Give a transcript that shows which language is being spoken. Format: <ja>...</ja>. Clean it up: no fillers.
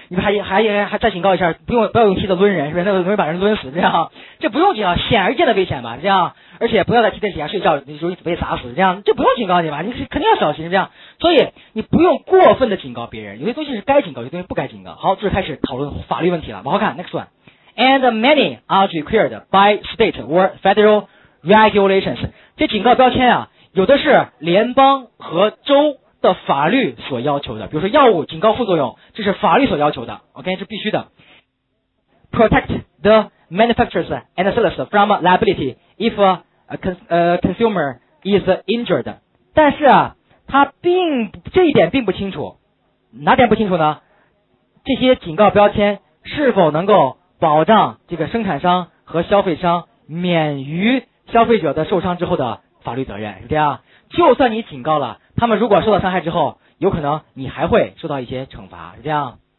<zh>你还再警告一下，不要用梯子抡人，是不是？那容易把人抡死，这样？这不用警告，显而易见的危险吧？这样？而且不要在梯子底下睡觉，你容易被砸死，这样？这不用警告你吧？你肯定要小心，这样？所以你不用过分的警告别人，有些东西是该警告，有些东西不该警告。好，这是开始讨论法律问题了，往后看 ，</zh> <en>next one。 And many are required by state or federal regulations。</en> <zh>这警告标签啊，有的是联邦和州的法律所要求的，比如说药物警告副作用，这是法律所要求的 ，OK， 是必须的。</zh> <en>Protect the manufacturers and sellers from liability if a consumer is injured。</en> <zh>但是啊，这一点并不清楚，哪点不清楚呢？这些警告标签是否能够保障这个生产商和消费商免于？消费者的受伤之后的法律责任，是这样，就算你警告了他们，如果受到伤害之后，有可能你还会受到一些惩罚，是这样。</zh>